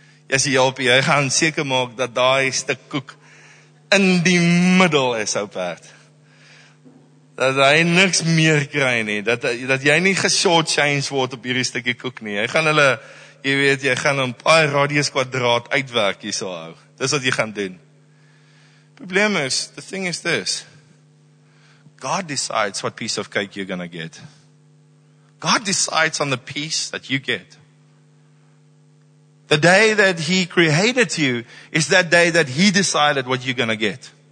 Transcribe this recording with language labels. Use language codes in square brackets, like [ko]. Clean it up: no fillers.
[af] Jy sê, Jopie, jy gaan seker maak dat daai stuk koek in die middel is, oupaat. Dat hy niks meer kry nie. Dat jy nie geshortchanged word op hierdie stukkie koek nie. Jy gaan een paar radius kwadraat uitwerk hier so hou. Dis wat jy gaan doen. Probleem is, [en] the thing is this. God decides what piece of cake you're gonna get. God decides on the piece that you get. The day that He created you is that day that He decided what you're gonna get.